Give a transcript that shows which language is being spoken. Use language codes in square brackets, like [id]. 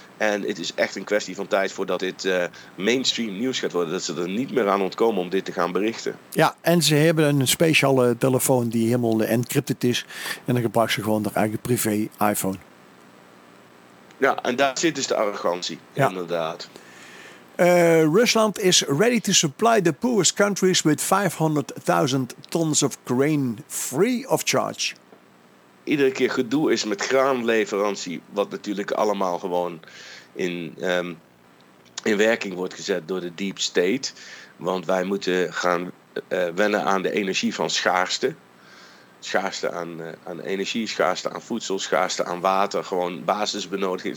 [nl] En het is echt een kwestie van tijd voordat dit mainstream nieuws gaat worden. Dat ze er niet meer aan ontkomen om dit te gaan berichten. Ja, en ze hebben een speciale telefoon die helemaal encrypted is. En dan gebruiken ze gewoon haar eigen privé iPhone. Ja, en daar zit dus de arrogantie, ja. Inderdaad. [en] Rusland is ready to supply the poorest countries with 500.000 tons of grain free of charge. [nl] Iedere keer gedoe is met graanleverantie, wat natuurlijk allemaal gewoon in werking wordt gezet door de deep state. Want wij moeten gaan wennen aan de energie van schaarste. Schaarste aan energie, schaarste aan voedsel, schaarste aan water, gewoon basisbenodiging.